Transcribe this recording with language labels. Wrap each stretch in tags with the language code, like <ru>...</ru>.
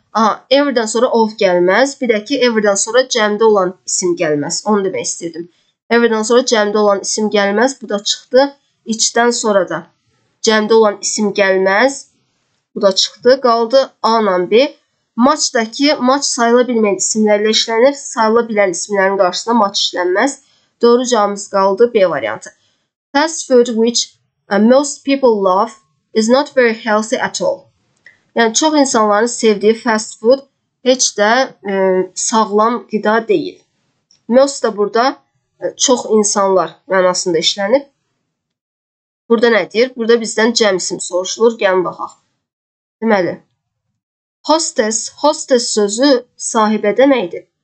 <az>Aha, every-dən sonra of gəlməz, bir də ki, every-dən sonra cəmdə olan isim gəlməz. Onu demək istəyirdim. Every-dən sonra cəmdə olan isim gəlməz, bu da çıxdı. İçdən sonra da cəmdə olan isim gəlməz, bu da çıxdı. Qaldı A ilə B. Maçdakı maç sayıla bilməyən isimlərlə işlənir, sayıla bilən isimlərin qarşısında maç işlənməz. Doğru cavabımız qaldı B variantı.</az> <en>Fast food which most people love is not very healthy at all.</en> <az>Yəni, çox insanların sevdiyi fast food heç də sağlam qida deyil. Most da burada çox insanlar mənasında işlənib. Burada nə deyir? Burada bizdən cəm isim soruşulur. Gəlin, baxaq. Deməli, hostess, hostess sözü sahibə deməkdir.</az>